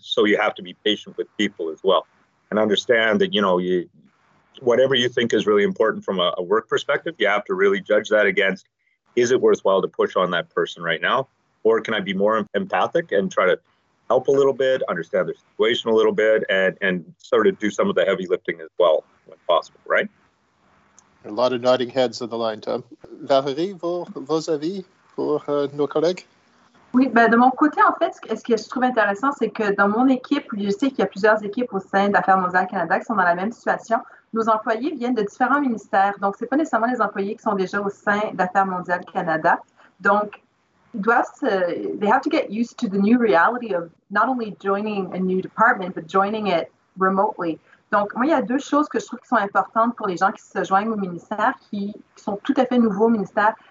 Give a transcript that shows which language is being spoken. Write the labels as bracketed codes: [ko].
[en] So you have to be patient with people as well and understand that, you know, whatever you think is really important from a work perspective, you have to really judge that against, is it worthwhile to push on that person right now? Or can I be more empathic and try to help a little bit, understand their situation a little bit, and sort of do some of the heavy lifting as well when possible, right? A lot of nodding heads on the line, Tom. [fr] Valérie, vos avis pour nos collègues? Oui, ben de mon côté, en fait, ce que je trouve intéressant, c'est que dans mon équipe, je sais qu'il y a plusieurs équipes au sein d'Affaires Mondiales Canada qui sont dans la même situation. Nos employés viennent de différents ministères, donc ce n'est pas nécessairement les employés qui sont déjà au sein d'Affaires Mondiales Canada. Donc, ils doivent [en] they have to get used to the new reality of not only joining a new department, but joining it remotely. [fr] Donc, moi, il y a deux choses que je trouve qui sont importantes pour les gens qui se joignent au ministère, qui sont tout à fait nouveaux au ministère.